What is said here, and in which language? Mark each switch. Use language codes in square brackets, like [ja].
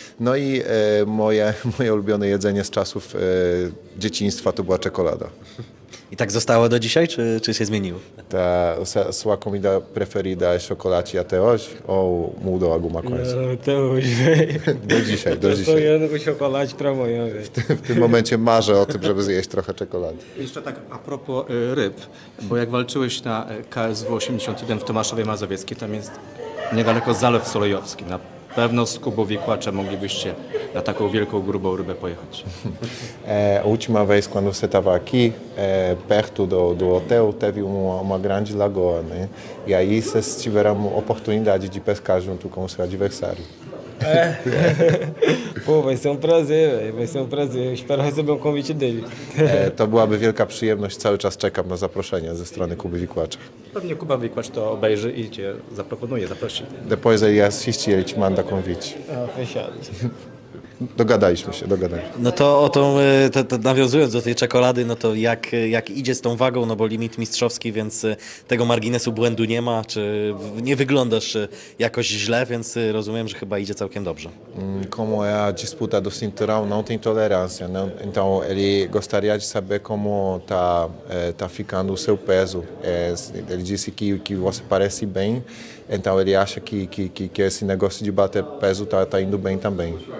[pl] No i moje ulubione jedzenie z czasów dzieciństwa to była czekolada. I tak zostało do dzisiaj, czy się zmieniło? [pt] Ta sua comida preferida é chocolate até hoje? Ou mudou alguma coisa? Não, até hoje, velho. [pl] Do dzisiaj, do dzisiaj. [pt] Tô sonhando com chocolate pra amanhã, velho. [pl] W tym momencie marzę o tym, żeby zjeść trochę czekolady. Jeszcze tak a propos ryb, bo jak walczyłeś na KSW 81 w Tomaszowie Mazowieckiej, tam jest niedaleko Zalew Solejowski. Na pewno z Kubą Wikłaczem moglibyście na taką wielką, grubą rybę pojechać. [pt] Última vez, quando você estava aqui, perto do hotel, teve uma grande lagoa, né? E aí vocês tiveram oportunidade de pescar junto com o seu adversário. Pô, vai ser um prazer, véio. Vai ser um prazer. Espero receber um convite dele. [pl] To byłaby wielka przyjemność. Cały czas czekam na zaproszenie ze strony Kuby Wikłacza. Pewnie Kuba Wikłacz to obejrzy i cię zaproponuje, zaprosi. [pt] Depois ele assiste e ele te manda convite. Fechado. [pl] Dogadaliśmy się. No to o tą, to nawiązując do tej czekolady, no to jak idzie z tą wagą, no bo limit mistrzowski, więc tego marginesu błędu nie ma, czy nie wyglądasz jakoś źle, więc rozumiem, że chyba idzie całkiem dobrze. [pt] Como é a disputa do cinturão, não tem tolerância, né? Então ele gostaria de saber como tá ficando o seu peso. Ele disse que você parece bem, então ele acha que esse negócio de bater peso tá indo bem também.